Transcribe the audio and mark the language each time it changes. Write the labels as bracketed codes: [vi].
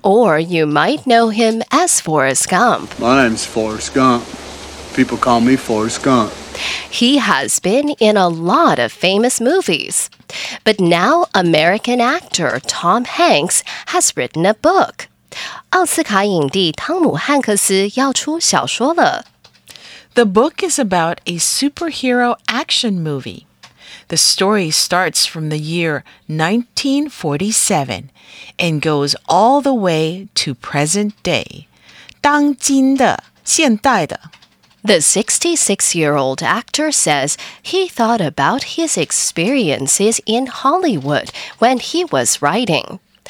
[en] Or you might know him as Forrest Gump. My name's Forrest Gump. People call me Forrest Gump. He has been in a lot of famous movies. But now American actor Tom Hanks has written a book. [zh] 奥斯卡影帝汤姆·汉克斯要出小说了。 [en] The book is about a superhero action movie. The story starts from the year 1947 and goes all the way to present day. [zh] 当今的，现代的。 [en] The 66-year-old actor says he thought about his experiences in Hollywood when he was writing.